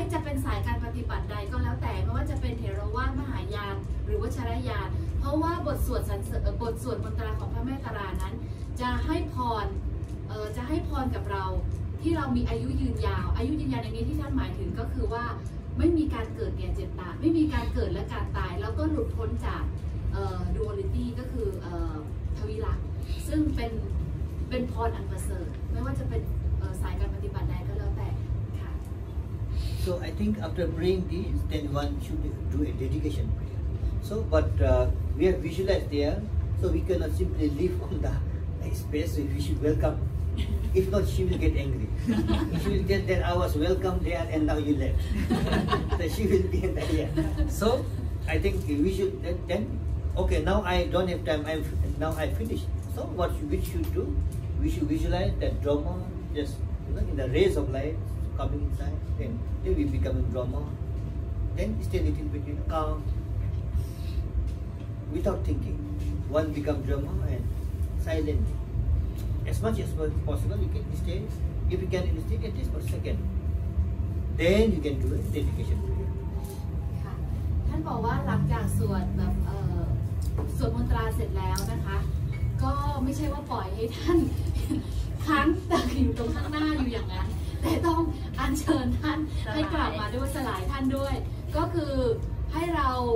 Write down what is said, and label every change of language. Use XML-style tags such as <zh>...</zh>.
<th>ม่จะเป็นสายการปฏิบัติใดก็แล้วแต่ไม่ว่าจะเป็นเถรวาทมหายานหรือวัชรยานเพราะว่าบทสวดสรรเสริญบทสวดมนตราของพระแม่ตรานั้นจะให้พรจะให้พรกับเราที่เรามีอายุยืนยาวอายุยืนยาวในนี้ที่ท่านหมายถึงก็คือว่าไม่มีการเกิดแก่เจ็บตายไม่มีการเกิดและการตายแล้วก็หลุดพ้นจากDuality ก็คือทวิลักษณ์ซึ่งเป็นพรอันประเสริฐไม่ว่าจะเป็นสายการปฏิบัติใดก็แล้วแต่ค่ะ</th> <en>So I think after praying this then one should do a dedication prayer so but we are visualized there so we cannot simply live on the space we should welcomeIf not, she will get angry. She will tell that I was welcome there and now you left. So she will be angry. Yeah. So I think we should then, okay, now I don't have time, now I finished. So what we should do? We should visualize that drama, just you know, in the rays of light coming inside, then we become a drama. Then stay a little bit, you know, calm. Without thinking, one becomes drama and silent. As much as possible, you can stay. If you can stay at least for a second, then you can do a dedication prayer. Yeah.</en> <th>ท่านบอกว่าหลังจากสวดแบบสวดมนตราเสร็จแล้วนะคะก็ไม่ใช่ว่าปล่อยให้ท่านค้างตักอยู่ตรงข้างหน้าอยู่อย่างนั้นแต่ต้องอัญเชิญท่านให้กลับมาด้วยสลายท่านด้วยก็คือให้เรา</th>